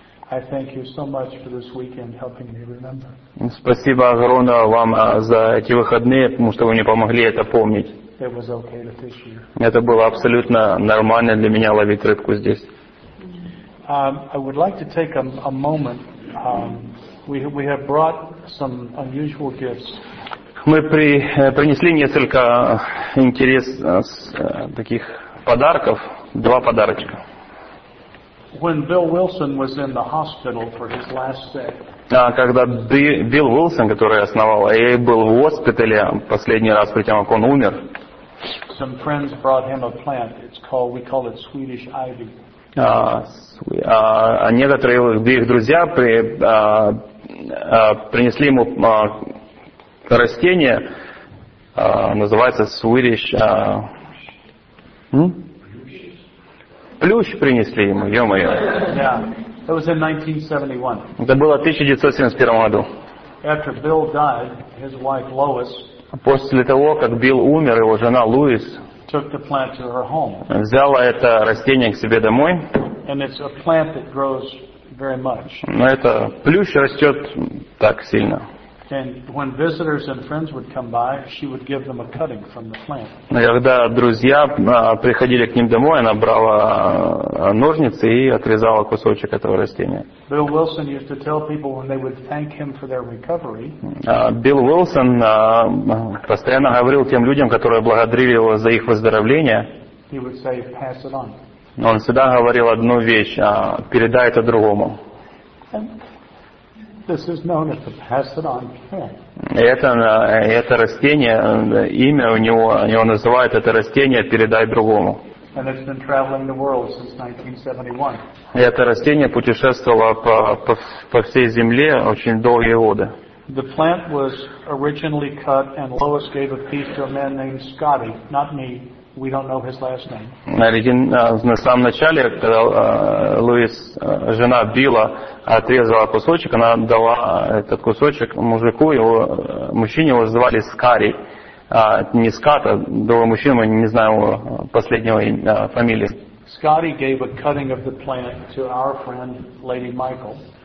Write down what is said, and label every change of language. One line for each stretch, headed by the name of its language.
English: I thank you so much for this weekend helping me remember.
Russian: Спасибо огромное вам за эти выходные, потому что вы мне помогли это помнить.
English: It was okay to fish here.
Russian: Это было абсолютно нормально для меня ловить рыбку здесь.
English: I would like to take a moment. We have brought some unusual gifts.
Russian: Мы принесли несколько интересных таких подарков, два подарочка.
English: When Bill Wilson was in the hospital for his last day.
Russian: Когда Билл Уилсон, который основал AA, был в госпитале последний раз, при том, как он умер.
English: Some friends brought him a plant. It's called, we call it Swedish ivy.
Russian: Некоторые их друзья принесли ему растение, называется Swedish. Плющ принесли ему, ё-моё.
English: Yeah. It was in 1971.
Russian: Это было в 1971 году.
English: After Bill died, his wife Lois,
Russian: после того, как Билл умер, его жена Луис
English: took the plant to her home.
Russian: Взяла это растение к себе домой.
English: And it's a plant that grows very much.
Russian: Но это плющ растет так сильно.
English: And when visitors and friends would come by, she would give them a cutting from the plant.
Russian: Когда друзья приходили к ним домой, она брала ножницы и отрезала кусочек этого растения.
English: Bill Wilson used to tell people when they would thank him for their recovery.
Russian: Bill Wilson постоянно говорил тем людям, которые благодарили его за их выздоровление.
English: He would say, "Pass it on."
Russian: Он всегда говорил одну вещь: передай это другому.
English: This is known as the pass it on plant.
Russian: Это растение, имя у него называют это растение передай другому.
English: And it's been traveling the world since 1971.
Russian: Это растение путешествовало по всей земле очень долгие годы.
English: The plant was originally cut and Lois gave a piece to a man named Scotty, not me. We don't know his last name.
Russian: На самом начале, когда Луис, жена Билла, отрезала кусочек, она дала этот кусочек мужику, мужчине его звали Скари, не Скат, а другой мужчина, мы не знаем его последнего фамилии.
English: Scotty gave a cutting of the plant to our friend Lady Michael.